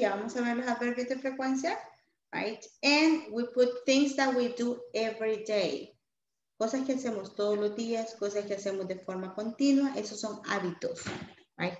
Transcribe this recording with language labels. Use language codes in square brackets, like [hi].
[es] Ya vamos a ver los adverbios de frecuencia, right? [en] And we put things that we do every day. [es] Cosas que hacemos todos los días, cosas que hacemos de forma continua, esos son hábitos, right?